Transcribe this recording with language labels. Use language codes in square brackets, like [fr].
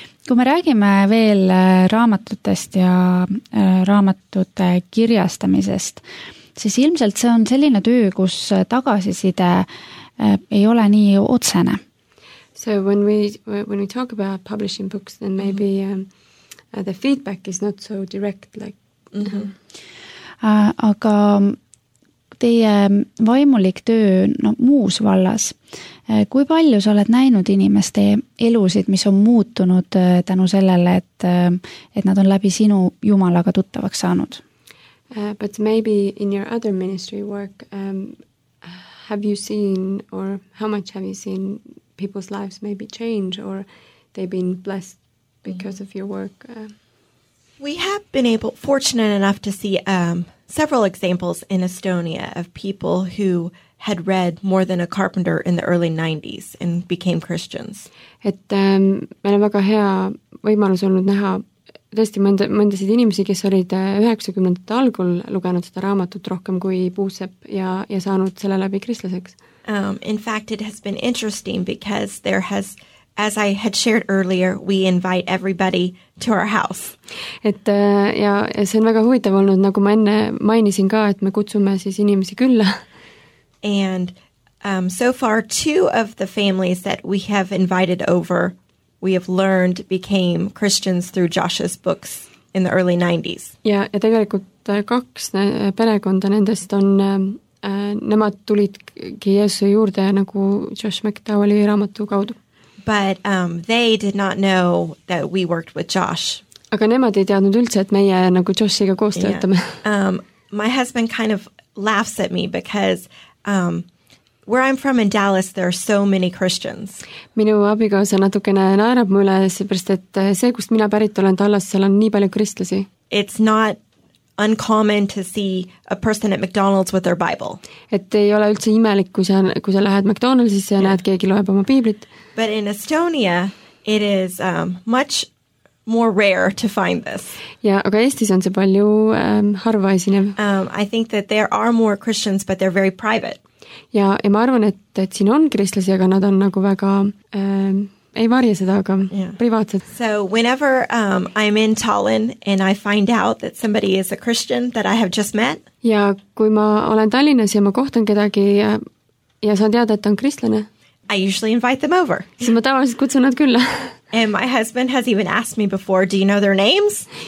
[et] Kui me räägime veel raamatutest ja raamatute kirjastamisest, siis ilmselt see on selline töö, kus tagasiside ei ole nii otsene. [en] So when we talk about publishing books, then maybe the feedback is not so direct. Like, [et] aga teie vaimulik töö muus vallas, kui palju sa oled näinud inimeste elusid, mis on muutunud tänu sellele, et nad on läbi sinu jumalaga tuttavaks saanud? [en] But maybe in your other ministry work, have you seen or how much have you seen people's lives maybe change or they've been blessed because of your work? We have been able, fortunate enough to see several examples in Estonia of people who had read More Than a Carpenter in the early 90s and became Christians. [et] Et meil on väga hea võimalus olnud näha tõesti mõndasid inimesi, kes olid 90. Algul lugenud seda raamatut rohkem kui Puusepp ja saanud selle läbi kristlaseks. [en] In fact, it has been interesting because there has, as I had shared earlier, we invite everybody to our house. [et] Et ja see on väga huvitav olnud, nagu ma enne mainisin ka, et me kutsume siis inimesi külla. [en] And so far, 2 of the families that we have invited over, we have learned became Christians through Josh's books in the early 90s. [et] Ja tegelikult 2 perekonda nendest on... nemad tulidki Jeesuse juurde nagu Josh McDowelli raamatu kaudu. [en] But they did not know that we worked with Josh. [et] Aga nemad ei teadnud üldse, et meie nagu Joshiga koos töötame. [en] My husband kind of laughs at me because Where I'm from in Dallas, there are so many Christians. [et] Minu abikaasa natukene naerab mulle, sest et see, kust mina pärit olen Dallas, seal on nii palju kristlasi. [en] It's not uncommon to see a person at McDonald's with their Bible. [et] Et ei ole üldse imelik, kui sa lähed McDonald'sis ja näed, keegi loeb oma piiblit. [en] But in Estonia, it is much more rare to find this. [et] Ja, aga Eestis on see palju harvaesinev. [en] I think that there are more Christians, but they're very private. [et] Ja ma arvan, et siin on kristlasi, aga nad on nagu väga, ei varje seda, aga privaatsed. [en] So whenever I'm in Tallinn and I find out that somebody is a Christian that I have just met. [et] Ja kui ma olen Tallinnas ja ma kohtan kedagi ja saan teada, et on kristlane. [en] I usually invite them over. [et] Siis ma tavaliselt kutsun nad külla. [en] And my husband has even asked me before, do you know their names?